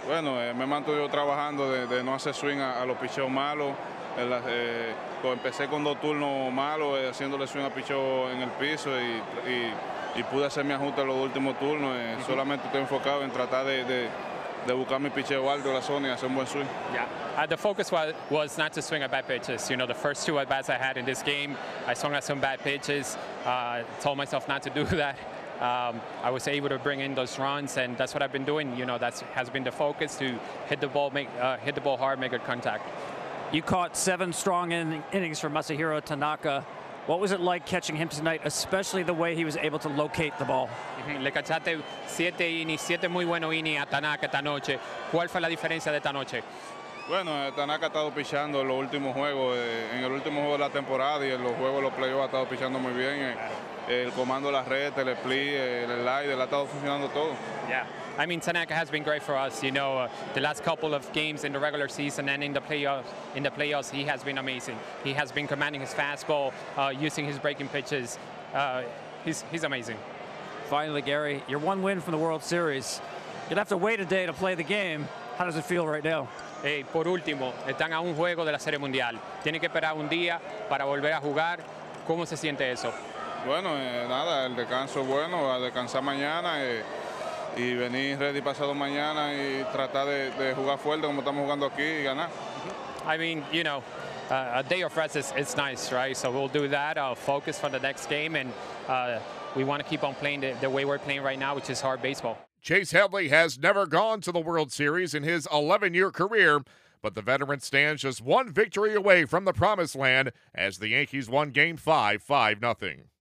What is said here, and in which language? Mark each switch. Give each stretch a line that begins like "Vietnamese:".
Spanish: Bueno, me mantuve trabajando de no hacer swing a los picheos malos. Empecé con dos turnos malos, haciéndole swing a picheos en el piso y pude hacer mi ajuste en los últimos turnos. Solamente estoy enfocado en tratar de de buscar mi picheo alto la zona y hacer un buen swing.
English: Yeah, the focus was not to swing at bad pitches. You know, the first two at bats I had in this game, I swung at some bad pitches. Told myself not to do that. I was able to bring in those runs, and that's what I've been doing. You know, that has been the focus, to hit the ball hard, make good contact. You caught seven strong innings for Masahiro Tanaka. What was it like catching him tonight, especially the way he was able to locate the ball?
Spanish: Le cachaste siete innings, siete muy buenos innings a Tanaka esta noche. ¿Cuál fue la diferencia de esta noche? Bueno, Tanaka ha estado pichando en los últimos juegos, en el último juego de la temporada y en los juegos de los playoffs ha estado pichando muy bien. El comando de la red, el split, el slider, ha estado funcionando todo.
English: Yeah. I mean, Tanaka has been great for us. You know, the last couple of games in the regular season and in the playoffs, he has been amazing. He has been commanding his fastball, using his breaking pitches. He's amazing. Finally, Gary, you're one win from the World Series. You'll have to wait a day to play the game. How does it feel right now?
Spanish: Hey, por último, están a un juego de la Serie Mundial. Tiene que esperar un día para volver a jugar. ¿Cómo se siente eso? Bueno, nada, el descanso bueno, a descansar mañana. Y venir ready pasado mañana y tratar de jugar fuerte como estamos jugando aquí y ganar.
English: I mean, you know, a day of rest is nice, right? So we'll do that. I'll focus for the next game, and we want to keep on playing the way we're playing right now, which is hard baseball. Chase Headley has never gone to the World Series in his 11-year career, but the veteran stands just one victory away from the promised land as the Yankees won Game 5, 5-0.